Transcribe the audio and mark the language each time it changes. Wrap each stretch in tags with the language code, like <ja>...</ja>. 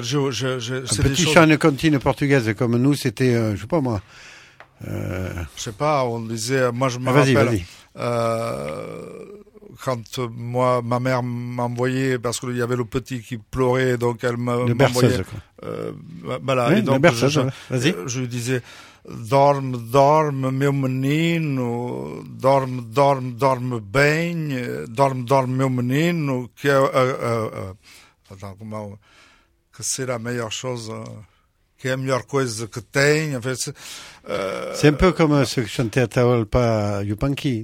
<fr>Un petit chant de cantine portugaise, comme nous, c'était, je ne sais pas moi. Je ne sais pas, on disait, moi je me rappelle. Vas-y. Quand ma mère m'envoyait, parce qu'il y avait le petit qui pleurait, donc elle m'envoyait. Une berceuse, quoi. Voilà, oui, et donc berceuse, je lui disais,</fr> <pt>dorme, dorme, meu menino, dorme, dorme, dorme bem, dorme, dorme, meu menino, que é que será a melhor coisa, que é a melhor coisa que tem.</pt> <fr>C'est un peu comme ce que chantait Atahualpa Yupanqui.</fr>